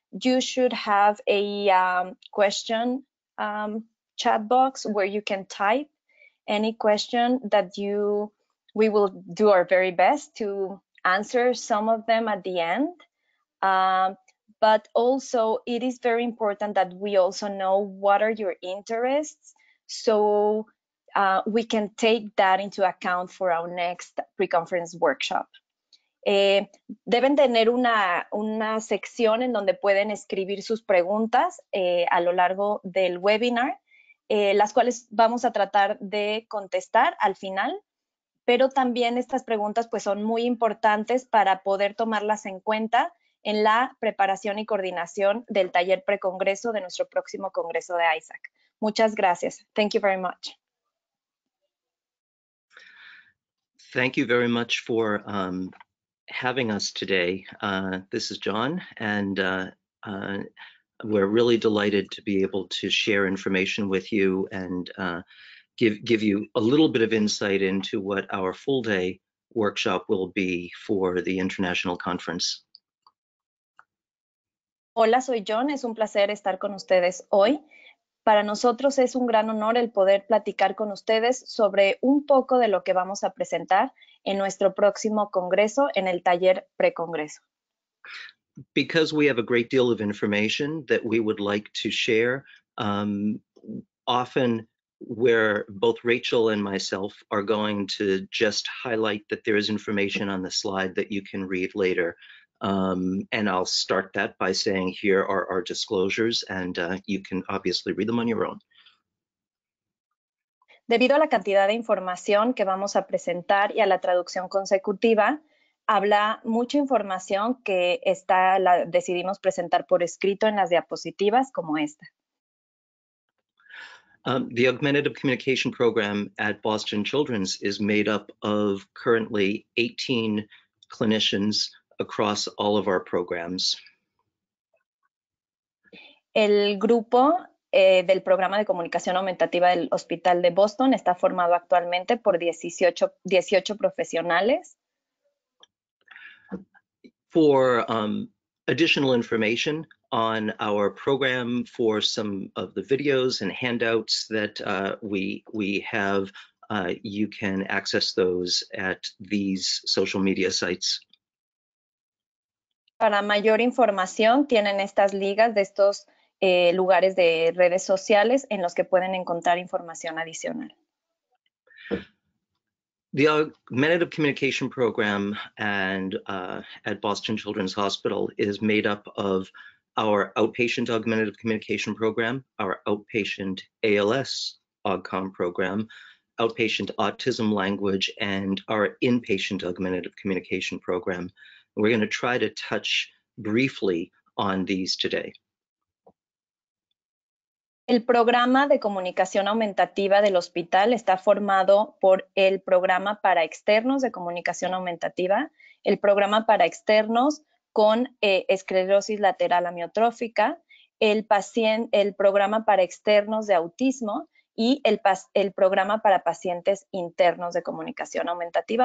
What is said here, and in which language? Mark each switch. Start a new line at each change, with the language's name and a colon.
English: You should have a question chat box where you can type any question that we will do our very best to answer some of them at the end. But also it is very important that we also know what are your interests. So we can take that into account for our next pre-conference workshop.
Spanish: Deben tener una sección en donde pueden escribir sus preguntas a lo largo del webinar, las cuales vamos a tratar de contestar al final, pero también estas preguntas pues son muy importantes para poder tomarlas en cuenta en la preparación y coordinación del taller pre-congreso de nuestro próximo congreso de ISAC. Muchas gracias.
English: Thank you very much. Thank you very much for having us today. This is John, and we're really delighted to be able to share information with you and give you a little bit of insight into what our full day workshop will be for the international conference.
Spanish: Hola, soy John. Es un placer estar con ustedes hoy. Para nosotros es un gran honor el poder platicar con ustedes sobre un poco de lo que vamos a presentar en nuestro próximo congreso, en el taller precongreso.
English: Because we have a great deal of information that we would like to share, often where both Rachel and myself are going to just highlight that there is information on the slide that you can read later. And I'll start that by saying here are our disclosures, and you can obviously read them on your own.
Spanish: Debido a la cantidad de información que vamos a presentar y a la traducción consecutiva, habla mucha información que está, la decidimos presentar por escrito en las diapositivas como esta.
English: The Augmentative Communication Program at Boston Children's is made up of currently 18 clinicians across all of our programs.
Spanish: El grupo del programa de comunicación aumentativa del Hospital de Boston está formado actualmente por 18 profesionales.
English: For additional information on our program, for some of the videos and handouts that we have, you can access those at these social media sites.
Spanish: Para mayor información, tienen estas ligas de estos lugares de redes sociales en los que pueden encontrar información adicional.
English: The Augmentative Communication Program and at Boston Children's Hospital is made up of our Outpatient Augmentative Communication Program, our Outpatient ALS AUGCOM Program, Outpatient Autism Language, and our Inpatient Augmentative Communication Program. We're going to try to touch briefly on these today.
Spanish: El programa de comunicación aumentativa del hospital está formado por el programa para externos de comunicación aumentativa, el programa para externos con esclerosis lateral amiotrófica, el programa para externos de autismo y el programa para pacientes internos de comunicación aumentativa.